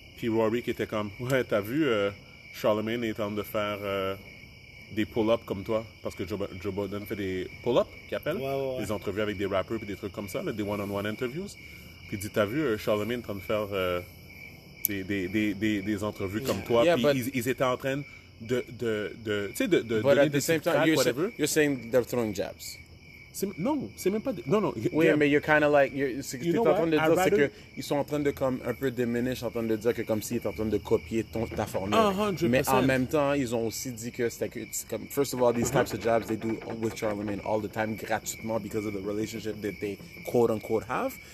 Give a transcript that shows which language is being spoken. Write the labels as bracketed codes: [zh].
[fr] Puis Rory qui était comme, ouais, t'as vu Charlemagne est en train de faire des pull-ups comme toi, parce que Joe Budden fait des pull-ups, qu'il appelle, des entrevues avec des rappers et des trucs comme ça, là, des [en] one-on-one interviews. [fr] Puis il dit, t'as vu Charlemagne est en train de faire des entrevues yeah. comme toi. [en] Yeah, [fr] puis [en] but... [fr] ils étaient en train de tu sais de [en] but at the same time you're saying they're throwing jabs. [fr] Mais [en] you're kind of like you're [fr] ils sont en train de comme un peu diminish, en train de dire que comme s'ils étaient en train de copier ta formule. [en] 100%. [fr] Mais en même temps ils ont aussi dit que c'était comme [en] first of all these types of jabs they do with Charlemagne all the time gratuitement because of the relationship that they quote unquote have.